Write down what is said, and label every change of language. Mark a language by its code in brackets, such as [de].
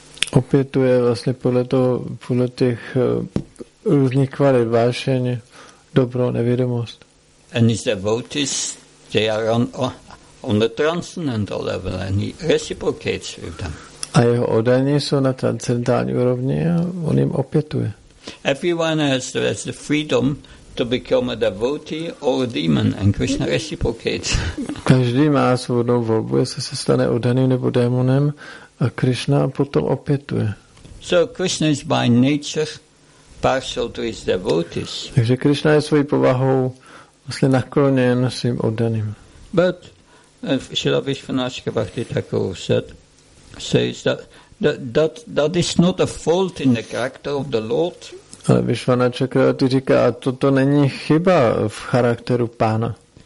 [cs] Opětuje vlastně podle těch různých kvalit, vášeň, dobro, nevědomost. [en] And his devotees, they are on the transcendental level, and he reciprocates with them. [cs] A jeho odaní jsou na transcendentální úrovni a on jim opětuje. [en] Everyone has the freedom to become a devotee or a demon, and Krishna reciprocates. [cs] Každý má svobodnou volbu, jestli se stane odaným nebo démonem, a Krishna potom opětuje. [en] So Krishna is by nature partial to his devotees. [cs] Takže Krishna je svojí povahou vlastně nakloněn svým odaným. [en] But Srila Vishvanatha Bhakti Thakur says that is not a fault in the character of the Lord. [cs] Ale Vishvanatha Bhakti říká, a toto není chyba v charakteru pána.